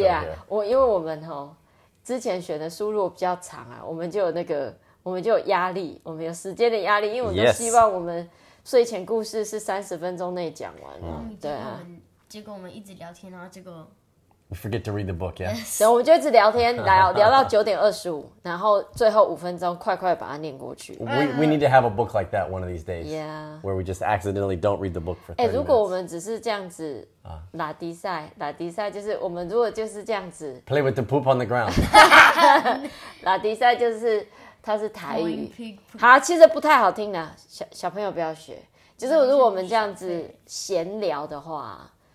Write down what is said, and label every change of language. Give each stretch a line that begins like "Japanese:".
Chinese: Yeah， 我因为我们哦，之前选的书如果比较长啊，我们就有那个，我们就有压力，我们有时间的压力，因为我都希望我们睡前故事是三十分钟内讲完啊，对啊。结果我们一直聊天，然后结果
English: we forget to read the book, yeah.
Chinese: 所以我们就一直聊天，聊聊到九点二十五，然后最后五分钟快快把它念过去。
English: We need to have a book like that one of these days. Yeah. Where we just accidentally don't read the book for 30 minutes.
Chinese: 如果我们只是这样子拉迪赛，拉迪赛就是我们如果就是这样子
English: play with the poop on the ground.
Chinese: 拉迪赛就是它是台语，好，其实不太好听的，小朋友不要学。就是如果我们这样子闲聊的话。